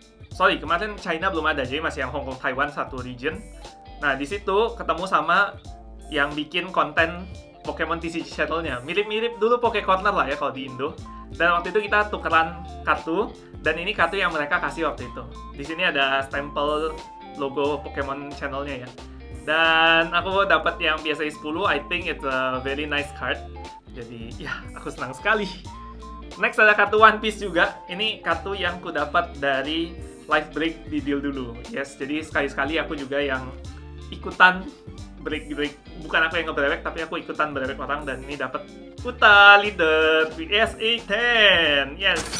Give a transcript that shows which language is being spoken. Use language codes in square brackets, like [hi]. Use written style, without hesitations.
[id] Sorry, kemarin China belum ada, jadi masih yang Hong Kong Taiwan satu region. Nah, di situ ketemu sama yang bikin konten Pokemon TCG Channel-nya. Mirip-mirip dulu Poke Corner lah ya kalau di Indo. Dan waktu itu kita tukeran kartu, dan ini kartu yang mereka kasih waktu itu. Di sini ada stempel logo Pokemon Channel-nya ya. Dan aku dapat yang PSA 10, [en] I think it's a very nice card. [id] Jadi, ya, aku senang sekali. Next ada kartu One Piece juga. Ini kartu yang ku dapat dari Life Break di deal dulu. Yes, jadi sekali-sekali aku juga yang ikutan break-break. Bukan aku yang nge-break, tapi aku ikutan break orang. Dan ini dapat Uta Leader PSA 10. Yes!